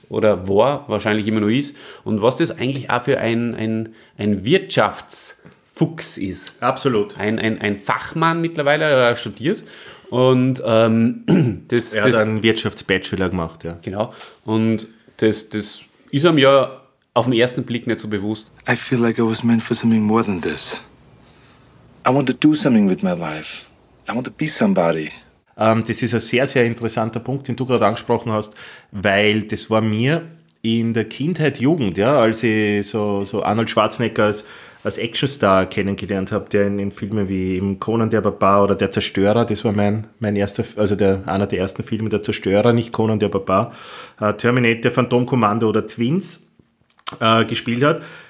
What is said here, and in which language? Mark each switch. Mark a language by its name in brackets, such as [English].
[German] Oder war, wahrscheinlich immer noch ist. Und was das eigentlich auch für ein Wirtschaftsfuchs ist. Absolut. Ein Fachmann mittlerweile, er studiert. Und er hat einen Wirtschaftsbachelor gemacht, ja. Genau. Und das ist einem ja auf den ersten Blick nicht so bewusst. [English] I feel like I was meant for something more than this. I want to do something with my life. I want to be somebody. [German] Das ist ein sehr, sehr interessanter Punkt, den du gerade angesprochen hast, weil das war mir in der Kindheit, Jugend, ja, als ich so Arnold Schwarzenegger als Actionstar kennengelernt habe, der in Filmen wie eben Conan der Barbar oder Der Zerstörer, das war mein erster, also einer der ersten Filme, Der Zerstörer, nicht Conan der Barbar, Terminator, Phantom Commando oder Twins gespielt hat.